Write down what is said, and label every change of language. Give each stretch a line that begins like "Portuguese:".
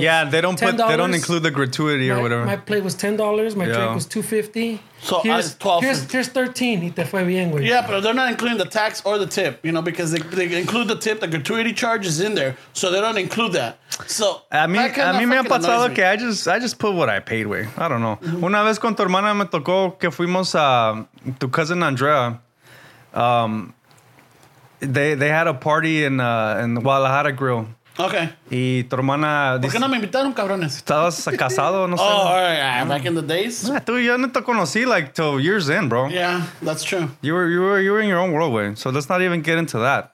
English: They don't include the gratuity or whatever. My plate was $10. My drink was $2.50. So here's $13.
Spanish: Y te fue bien, güey.
English: Yeah, but they're not including the tax or the tip, you know, because they include the tip. The gratuity charge is in there, so they don't include that. So I just put what I paid, güey. I don't know. Mm-hmm.
Spanish: Una vez con tu hermana me tocó que fuimos a tu cousin Andrea.
English: They had a party in the Guadalajara Grill. Okay.
Spanish: Y tu hermana... ¿Por qué no me invitaron, cabrones? Estabas casado, no sé.
English: Oh, all right. Back in the days? Yeah,
Spanish: tú, yo no te conocí,
English: like, till years in, bro. Yeah, that's true. You were in your own world, way. So let's not even get into that.